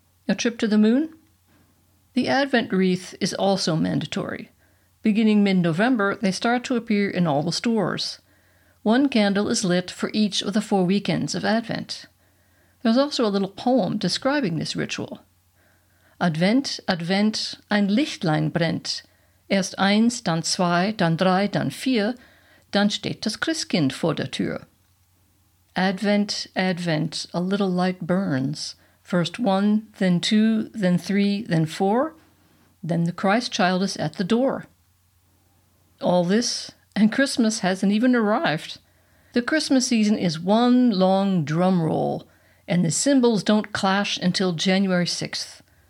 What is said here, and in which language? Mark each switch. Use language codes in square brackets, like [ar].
[en] A trip to the moon? The Advent wreath is also mandatory. Beginning mid-November, they start to appear in all the stores. One candle is lit for each of the four weekends of Advent. There's also a little poem describing this ritual. [de] Advent, Advent, ein Lichtlein brennt. Erst eins, dann zwei, dann drei, dann vier, dann steht das Christkind vor der Tür. [en] Advent, Advent, a little light burns. First one, then two, then three, then four. Then the Christ child is at the door. All this, and Christmas hasn't even arrived. The Christmas season is one long drum roll, and the cymbals don't clash until January 6th.